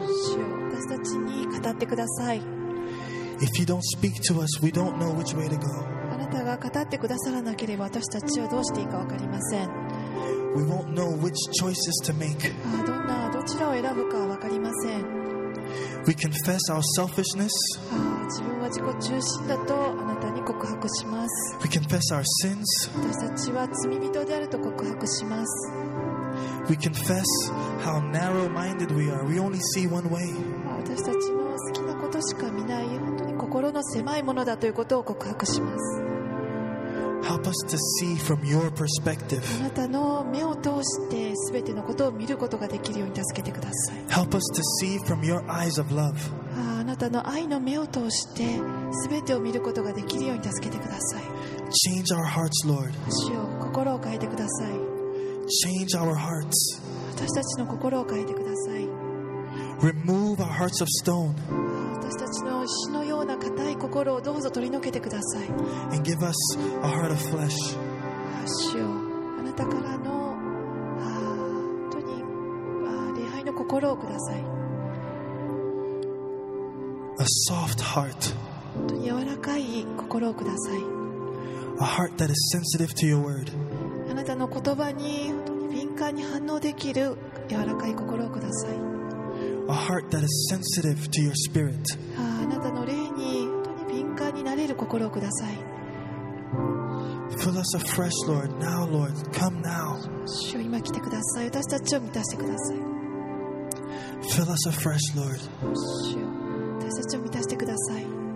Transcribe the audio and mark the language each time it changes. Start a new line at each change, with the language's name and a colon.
Japanese: 主よ、私たちに語ってください。
English: If you don't speak to us, we don't know which way to go.
Japanese: あなたが語ってくださらなければ私たちはどうしていいか分かりません。
English: We won't know which choices to make.
Japanese: どんなどちらを選ぶか分かりません。
English: We confess our selfishness.
Japanese: 自分は自己中心だとあなたに告白します。
English: We confess our sins.
Japanese: 私たちは罪人であると告白します。
English: We confess how narrow-minded we are. We only see one way.
Japanese: 私たちの好きなことしか見ない本当に心の狭いものだということを告白します。
English: Help us to see from your perspective.
Japanese: あなたの目を通して全てのことを見ることができるように助けてください。
English: Help us to see from your eyes of love.
Japanese: あなたの愛の目を通して全てを見ることができるように助けてください。
English: Change our hearts, Lord.
Japanese: 主よ、心を変えてください。
English: Change our hearts.
Japanese: 私たちの心を変えてください。
English: Remove our hearts of stone.
Japanese: 私たちの石のような固い心をどうぞ取り除けてください。
English: And give us a heart of flesh.
Japanese: 主よ、あなたからの本当に礼拝の心をください。
English: A soft heart.
Japanese: 本当に柔らかい心をください。
English: A heart that is sensitive to your word.
Japanese: あなたの言葉に本当に敏感に反応できる柔らかい心をください。
English: A heart that is sensitive to your spirit.
Japanese: あなたの霊に本当に敏感になれる心をください。
English: Fill us afresh, Lord. Now, Lord, come now.
Japanese: 主よ、今来てください。私たちを満たしてください。
English: Fill us afresh, Lord.
Japanese: 主よ、私たちを満たしてください。